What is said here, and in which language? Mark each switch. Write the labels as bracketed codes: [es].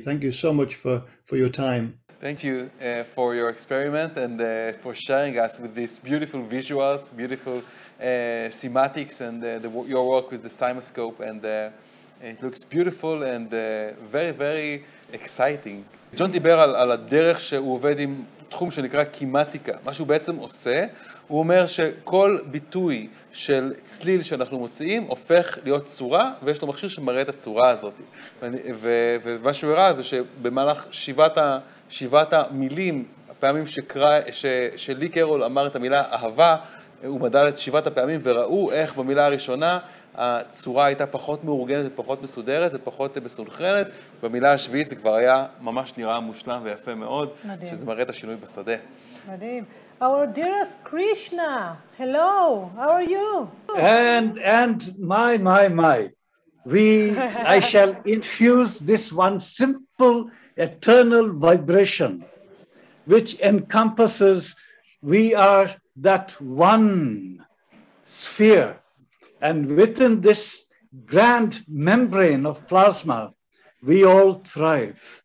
[en] Thank you so much for your time. Thank you for your experiment and for sharing us with these beautiful visuals, beautiful semantics, and your work with the Simoscope, and it looks beautiful and very, very exciting. [he] John דיבר על, על הדרך שהוא עובד עם תחום שנקרא קימטיקה. מה שהוא בעצם עושה, הוא אומר שכל ביטוי של צליל שאנחנו מוציאים הופך להיות צורה, ויש לו מכשיר שמראה את הצורה הזאת. ומה שהוא הראה זה שבמהלך שיבת המילים, הפעמים שלי קרול אמר את המילה אהבה, הוא מדל את שיבת הפעמים וראו איך במילה הראשונה הצורה הייתה פחות מאורגנת ופחות מסודרת ופחות מסונכרנת, במילה השביעית זה כבר היה ממש נראה מושלם ויפה מאוד. מדהים. שזה מראה את השינוי בשדה. מדהים. [en] Our dearest Krishna, hello, how are you? And my, I shall infuse this one simple eternal vibration which encompasses, we are that one sphere, and within this grand membrane of plasma we all thrive.